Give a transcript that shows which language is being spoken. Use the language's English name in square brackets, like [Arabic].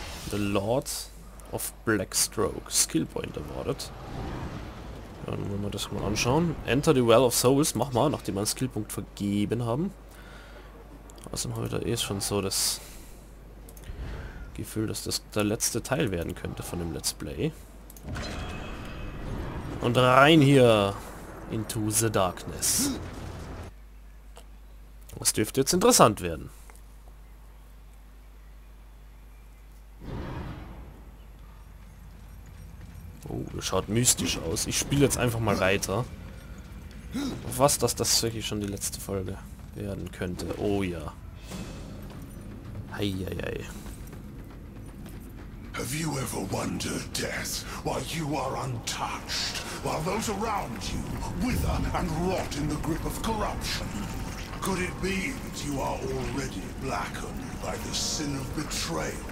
[English] The Lord of Blackstroke. Skillpoint awarded. [German] Ja, dann wollen wir das mal anschauen. [English] Enter the Well of Souls. [German] Mach mal, nachdem wir einen Skillpunkt vergeben haben. Außerdem haben wir da eh schon so das Gefühl, dass das der letzte Teil werden könnte von dem Let's Play. Und rein hier [English] into the darkness. [German] Das dürfte jetzt interessant werden. Oh, das schaut mystisch aus. Ich spiele jetzt einfach mal weiter. Auf was, dass das wirklich schon die letzte Folge werden könnte. Oh ja. Heieiei. [English] Have you ever wondered, Death, why you are untouched, while those around you wither and rot in the grip of corruption? Could it be that you are already blackened by the sin of betrayal?